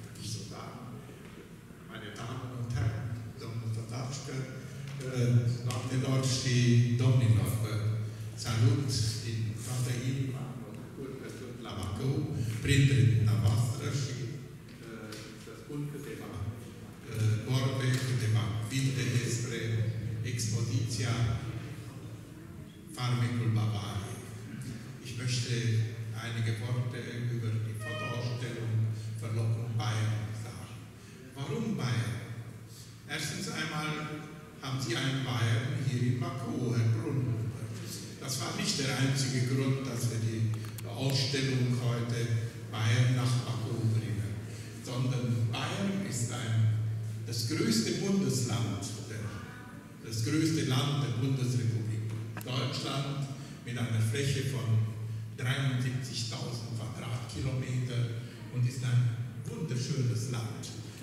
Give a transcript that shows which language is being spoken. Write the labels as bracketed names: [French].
[German] Nicht Soldaten, meine Damen und Herren, sondern darstellt. [Romanian] Domnilor și domnilor, salut din toată inima la Bacău, printre dumneavoastră și să spun câteva vorbe, câteva cuvinte despre expoziția Farmecul Bavariei. [German] Ich möchte einige Worte über die Fotoausstellung Verlockung Bayern sagen. Warum Bayern? Erstens einmal haben Sie einen Bayern hier in Baku, Herr Brunnhuber. Das war nicht der einzige Grund, dass wir die Ausstellung heute Bayern nach Baku bringen, sondern Bayern ist das größte Bundesland, das größte Land der Bundesrepublik Deutschland mit einer Fläche von 73.000 Quadratkilometern und ist ein wunderschönes Land.